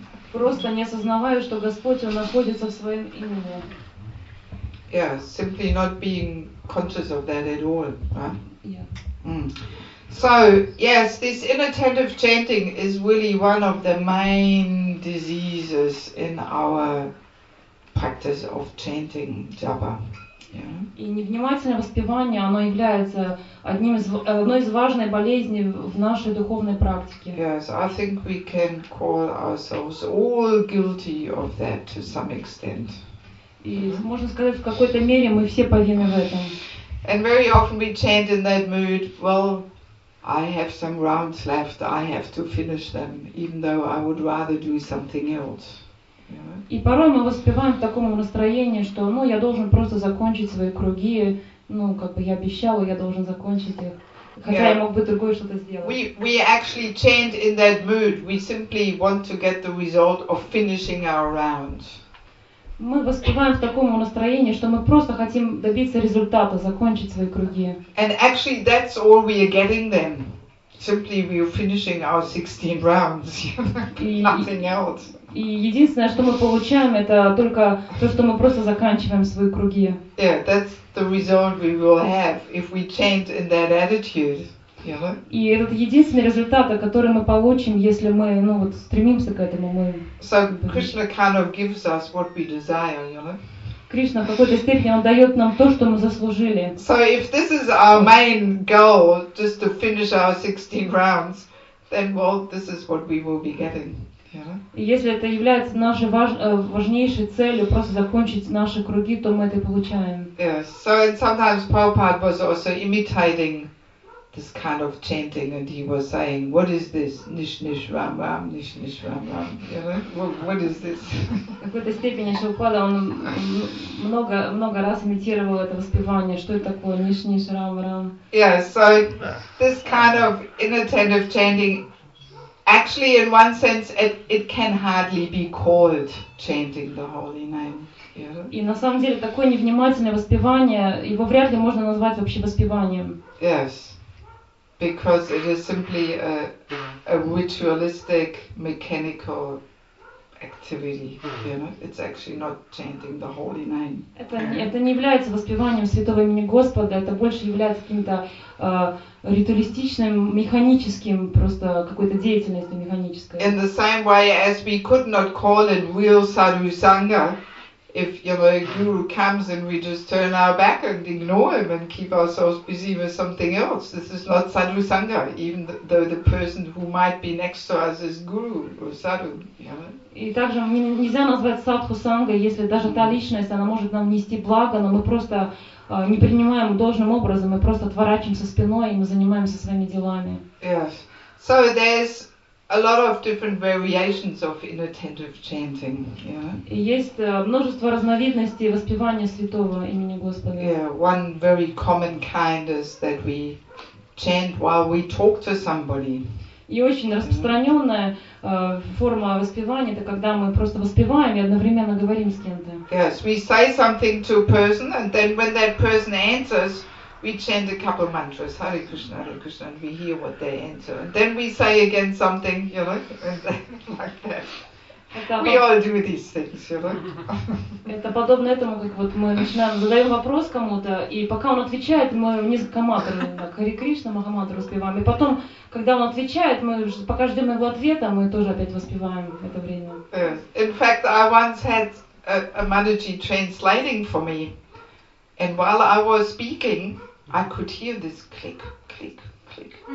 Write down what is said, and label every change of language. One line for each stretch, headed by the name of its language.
Russian: Просто не осознавая, что Господь он находится в своем имени.
English: Yeah, simply not being conscious of that at all, right? Yeah. Mm. So yes, this inattentive chanting is really one of the main diseases in our practice of chanting japa. Yeah.
Russian: И невнимательное воспевание, оно является одной из важной болезней в нашей духовной практике.
English: Yes, I think we can call ourselves all guilty of that to some extent.
Russian: И можно сказать, в какой-то мере мы все повинны в этом.
English: And very often we chant in that mood, well, I have some rounds left, I have to finish them, even though I would rather do something else.
Russian: И порой мы воспеваем в таком настроении, что, ну, я должен просто закончить свои круги, ну, как бы я обещал, я должен закончить их, хотя я мог бы другое что-то сделать.
English: We actually chant in that mood. We simply want to get the result of finishing our rounds.
Russian: Мы воспеваем в таком настроении, что мы просто хотим добиться результата, закончить свои круги.
English: And actually, that's all we are getting then. Simply, we are finishing our 16 rounds. Nothing else.
Russian: И единственное, что мы получаем, это только то, что мы просто заканчиваем свои круги.
English: Yeah, that's the result we will have if we chant in that attitude.
Russian: И это единственный результат, который мы получим, если мы, ну, вот, стремимся к этому. Мы...
English: So Krishna kind of gives us what we desire, you know?
Russian: Кришна в какой-то степени он дает нам то, что мы заслужили.
English: So if this is our main goal, just to finish our 16 rounds, then well, this is what we will be getting.
Russian: Если это является нашей важнейшей целью, просто закончить наши круги, то мы это и получаем.
English: Yes. So and sometimes Prabhupada was also imitating this kind of chanting, and he was saying, "What is this? Nish nish ram ram, nish nish ram ram. You know? What is this?"
Russian: В какой-то степени Шилпада он много раз имитировал это воспевание. Что это такое? Nish nish ram ram.
English: Yeah. So this kind of inattentive chanting. Actually, in one sense, it can hardly be called chanting the holy name.
Russian: И на самом деле такое невнимательное воспевание его вряд ли можно назвать вообще воспеванием.
English: Yes, because it is simply a ritualistic, mechanical activity, you know, it's actually not chanting the holy name.
Russian: Это не является воспеванием святого имени Господа, это больше является каким-то ритуалистичным, механическим, просто какой-то деятельностью механической.
English: In the same way as we could not call it real sadhu sangha, if you know, a guru comes and we just turn our back and ignore him and keep ourselves busy with something else, this is not sadhu sangha, even though the person who might be next to us is guru or sadhu, you know.
Russian: И также нельзя назвать садху санга, если даже та личность, она может нам нести благо, но мы просто не принимаем должным образом, мы просто отворачиваемся спиной и мы занимаемся своими делами.
English: Yes. So there's a lot of different variations of inattentive chanting. Yeah.
Russian: Есть множество разновидностей воспевания святого имени Господа.
English: Yeah, one very common kind is that we chant while we talk to somebody.
Russian: И очень распространенная форма воспевания — это когда мы просто воспеваем и одновременно говорим с кем-то.
English: Yes, we say something to a person, and then when that person answers, we chant a couple of mantras, Hare Krishna, and we hear what they answer. And then we say again something, you know, like that. We all do these things, you know.
Russian: Это подобно этому, как вот мы начинаем, задаем вопрос кому-то, и пока он отвечает, мы несколько мантр, как Hare Krishna, Махамантру воспеваем. И потом, когда он отвечает, мы пока ждем его ответа, мы тоже опять воспеваем это время.
English: In fact, I once had a Manaji translating for me. And while I was speaking, I could hear this click, click, click.